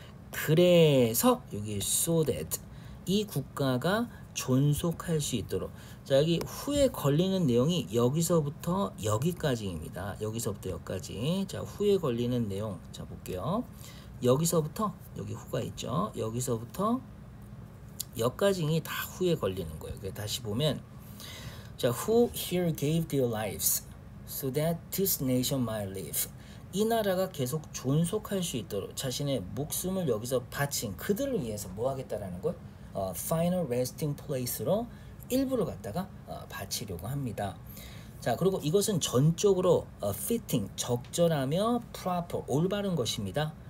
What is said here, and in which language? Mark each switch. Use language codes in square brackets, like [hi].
[ko] 그래서 여기 [en] so that [ko] 이 국가가 존속할 수 있도록. 자, 여기 후에 걸리는 내용이 여기서부터 여기까지입니다. 여기서부터 여기까지. 자, 후에 걸리는 내용. 자, 볼게요. 여기서부터 여기 후가 있죠. 여기서부터 여기까지가 다 후에 걸리는 거예요. 그 다시 보면 자, [en] who here gave their lives so that this nation might live. [ko] 이 나라가 계속 존속할 수 있도록 자신의 목숨을 여기서 바친 그들을 위해서 뭐 하겠다라는 걸 [en] final resting place [ko] 로 일부를 갖다가 바치려고 합니다. 자, 그리고 이것은 전적으로 fitting, 적절하며 proper, 올바른 것입니다.